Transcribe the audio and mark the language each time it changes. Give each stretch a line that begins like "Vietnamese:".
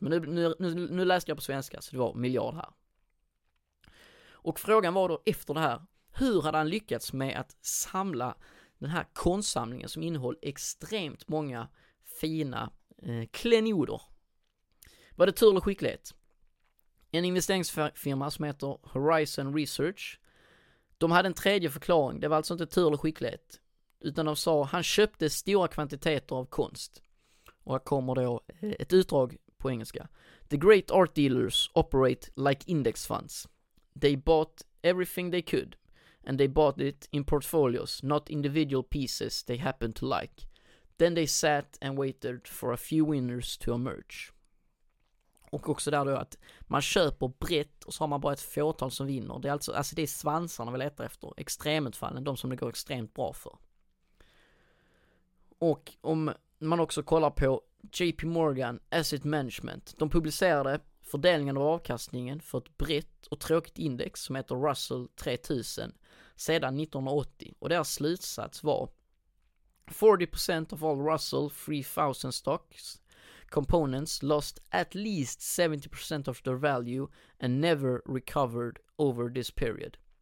Swedish: Men nu läste jag på svenska, så det var miljard här. Och frågan var då efter det här, hur hade han lyckats med att samla den här konstsamlingen som innehöll extremt många fina klenoder? Var det tur och skicklighet? En investeringsfirma som heter Horizon Research, de hade en tredje förklaring. Det var alltså inte tur och skicklighet, utan de sa han köpte stora kvantiteter av konst. Och här kommer då ett utdrag på engelska.
English: The great art dealers operate like index funds. They bought everything they could, and they bought it in portfolios, not individual pieces they happened to like. Then they sat and waited for a few winners to emerge.
Swedish: Och också där då att man köper brett och så har man bara ett fåtal som vinner. Det är alltså det är svansarna vi letar efter, extremutfallen, de som det går extremt bra för. Och om man också kollar på JP Morgan Asset Management, de publicerade fördelningen av avkastningen för ett brett och tråkigt index som heter Russell 3000 sedan 1980. Och deras slutsats var
English: 40% of all Russell 3000 stocks components lost at least 70% of their value and never recovered over this period.